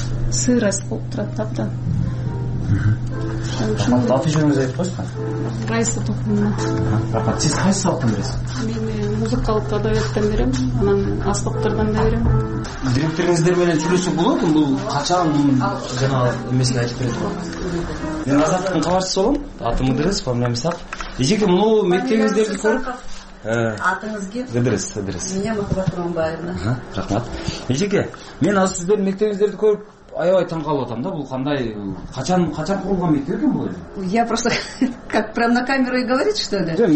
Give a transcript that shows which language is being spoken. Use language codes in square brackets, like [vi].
[ky] Сырость болуп турат абдан. Аты жөнүңүздү айтып коюшуңар. Райса Токумова. Рахмат. Сиз кайсы салттан бересиз? Мен музыкалык адабияттан берем, анан аспаптардан да берем. Директориңиздер менен сүйлөшсөк болот, бул качан жанагы эмесин айтып берет. Мен Азаттын кабарчысы болом, атым Кыдырыс, фамилиям Исак. Эжеке муну мектебиңиздерди көрүп. Атыңыз ким? Кыдырыс, Кыдырыс. [ru] Меня Махабат Урманбаевна. [ky] Рахмат. Эжеке, мен азыр сиздердин мектебиңиздерди көрүп аябай таң калып атам да, бул кандай качан курулган мектеп экен бул? [ru] Я просто как прям на камеру и говорит что ли?